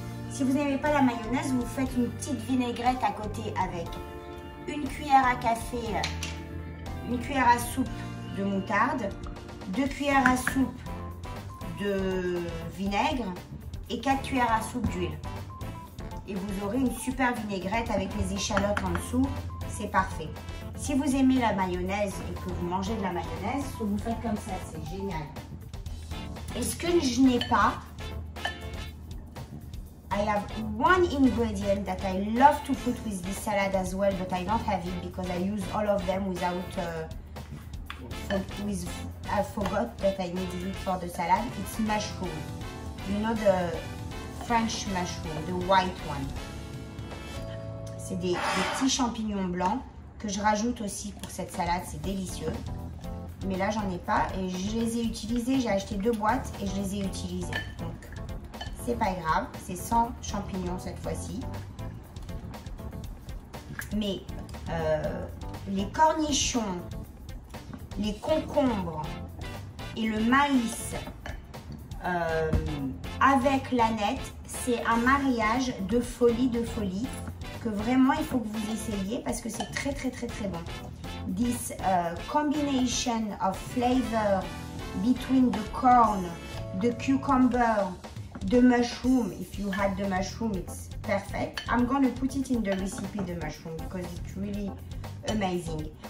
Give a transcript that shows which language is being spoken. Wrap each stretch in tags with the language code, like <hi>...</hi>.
<fr>Si vous n'aimez pas la mayonnaise, vous faites une petite vinaigrette à côté avec une cuillère à café, une cuillère à soupe de moutarde, deux cuillères à soupe de vinaigre et quatre cuillères à soupe d'huile. Et vous aurez une super vinaigrette avec les échalotes en dessous, c'est parfait. Si vous aimez la mayonnaise et que vous mangez de la mayonnaise, vous faites comme ça, c'est génial. Est-ce que je n'ai pas...</fr> <en>I have one ingredient that I love to put with this salad as well, but I don't have it because I use all of them without... I forgot that I needed it for the salad. It's mushroom. You know the... French mushroom, the white one.</en> <fr>C'est des petits champignons blancs que je rajoute aussi pour cette salade, c'est délicieux. Mais là, j'en ai pas et je les ai utilisés. J'ai acheté deux boîtes et je les ai utilisés. Donc, c'est pas grave, c'est sans champignons cette fois-ci. Mais les cornichons, les concombres et le maïs avec l'aneth, c'est un mariage de folie, que vraiment il faut que vous essayiez parce que c'est très très très très bon.</fr> <en>This combination of flavor between the corn, the cucumber, the mushroom, if you had the mushroom, it's perfect. I'm going to put it in the recipe, the mushroom, because it's really amazing.</en>